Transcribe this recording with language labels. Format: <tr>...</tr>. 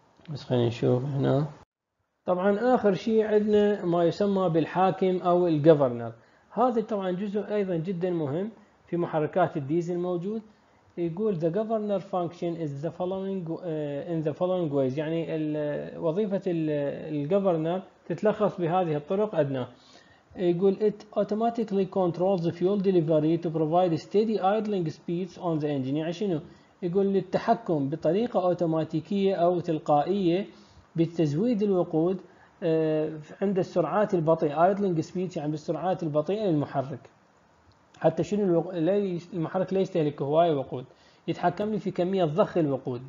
<ar>بس خلينا نشوف هنا. طبعا اخر شيء عندنا ما يسمى بالحاكم او الجفرنر، هذا طبعا جزء ايضا جدا مهم في محركات الديزل موجود. يقول</ar> <en>the governor function is the following in the following ways،</en> <ar>يعني وظيفة الجفرنر تتلخص بهذه الطرق ادنى. يقول</ar> <en>it automatically controls the fuel delivery to provide steady idling speeds on the engine،</en> <ar>يعني شنو؟ يقول للتحكم بطريقة أوتوماتيكية أو تلقائية بتزويد الوقود عند السرعات البطيئة،</ar> <en>idling speed</en> <ar>يعني بالسرعات البطيئة للمحرك، حتى شنو المحرك لا يستهلك هواية وقود، يتحكم لي في كمية ضخ الوقود.</ar>